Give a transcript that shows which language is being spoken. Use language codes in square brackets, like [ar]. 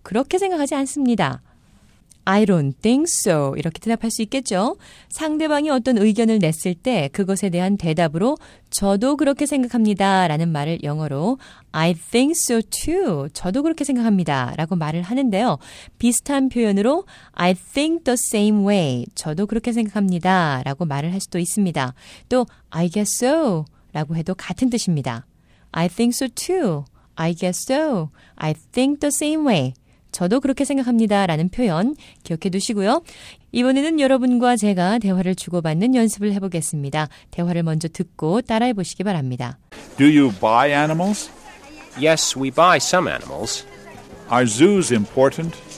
[ko] 그렇게 생각하지 않습니다. [en] I don't think so. [ko] 이렇게 대답할 수 있겠죠? 상대방이 어떤 의견을 냈을 때 그것에 대한 대답으로 저도 그렇게 생각합니다 라는 말을 영어로 [en] I think so too. [ko] 저도 그렇게 생각합니다 라고 말을 하는데요. 비슷한 표현으로 [en] I think the same way. [ko] 저도 그렇게 생각합니다 라고 말을 할 수도 있습니다. [en] 또 I guess so [ko] 라고 해도 같은 뜻입니다. [en] I think so too. I guess so. I think the same way. [ko] 저도 그렇게 생각합니다 라는 표현 기억해 두시고요. 이번에는 여러분과 제가 대화를 주고받는 연습을 해보겠습니다. 대화를 먼저 듣고 따라해 보시기 바랍니다. [en] Do you buy animals? Yes, we buy some animals. Are zoos important?